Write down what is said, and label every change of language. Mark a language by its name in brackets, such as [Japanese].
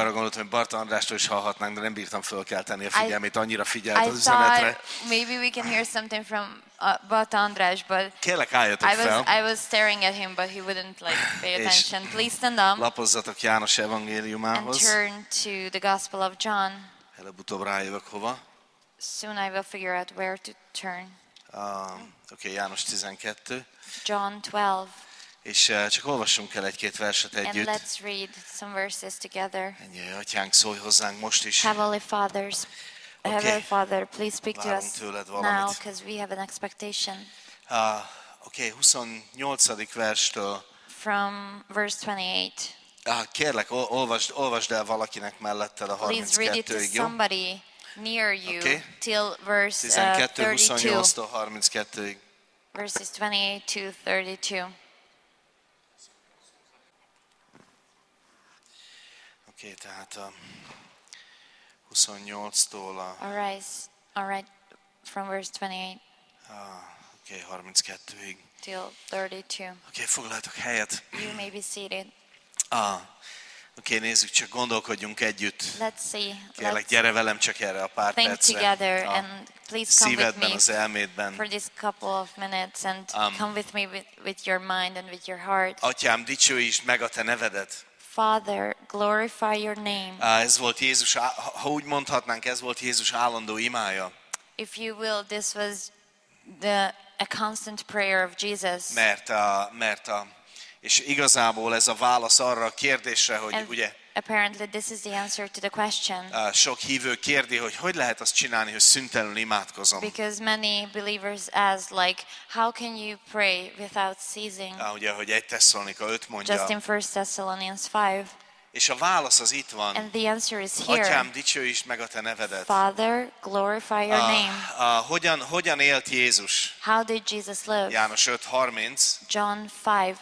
[Hungarian] Arra gondoltam, hogy Barta Andrástól is hallhatnánk, de nem bírtam fölkelteni a figyelmét, annyira figyelt az üzenetre. [English] I thought maybe we can hear something from Barta András, but [Hungarian] kérlek, álljatok fel. [English] I was staring at him, but he wouldn't like pay attention. Please stand up. [Hungarian] Lapozzatok János evangéliumához. [English] And turn to the Gospel of John. [Hungarian] Előbb-utóbb rájövök hova. [English] Soon I will figure out where to turn. [Hungarian] Okay, János 12. [English] John 12. [Hungarian] És csak olvassunk el egy-két verset együtt. [English] And let's read some verses together. [Hungarian] Ennyi, Atyánk, szólj hozzánk most is. [English] Heavenly Fathers, okay. Heavenly Father, please speak to us now, because we have an expectation. [Hungarian] Okay, 28. verstől. [English] From verse 28. [Hungarian] Kérlek, olvasd el valakinek melletted a 32-ig, jó? [English] Please read it to somebody near you, okay. Till verse 32. [Hungarian] 28-tól 32-ig. [English] Verses 28 to 32. [Hungarian] Okay, tehát 28-tól a... [English] All right, from verse 28. [Hungarian] Okay, 32-ig. [English] Till 32. [Hungarian] Okay, foglaltok helyet. [English] You may be seated. [Hungarian] Okay, nézzük, csak gondolkodjunk együtt. [English] Let's see. [Hungarian] Kérlek, [English] let's [Hungarian] gyere velem csak erre a pár percre. [English] Think together and please come with me. [Hungarian] Szívedben, az elmédben. [English] For this couple of minutes and come with me with your mind and with your heart. [Hungarian] Atyám, dicsőítsd meg a te nevedet. [English] Father, glorify your name. [Hungarian] Ez volt Jézus, ha úgy mondhatnánk, ez volt Jézus állandó imája. [English] If you will, this was a constant prayer of Jesus. [Hungarian] Mert és igazából ez a válasz arra a kérdésre, hogy [English] and [Hungarian] ugye [English] apparently this is the answer to the question. [Hungarian] Sok hívő kérdi, hogy hogy lehet azt csinálni, hogy szüntelen imádkozom. [English] Because many believers ask, like, how can you pray without ceasing? [Hungarian] Ugye, hogy 1 Tesszalonika 5 mondja. [English] Just in 1 Thessalonians 5. [Hungarian] És a válasz az itt van. [English] And the answer is here. [Hungarian] Atyám, dicsőítsd meg a te nevedet. [English] Father, glorify your name. [Hungarian] Hogyan élt Jézus? [English] How did Jesus live? [Hungarian] János 5:30. [English] John 5:30.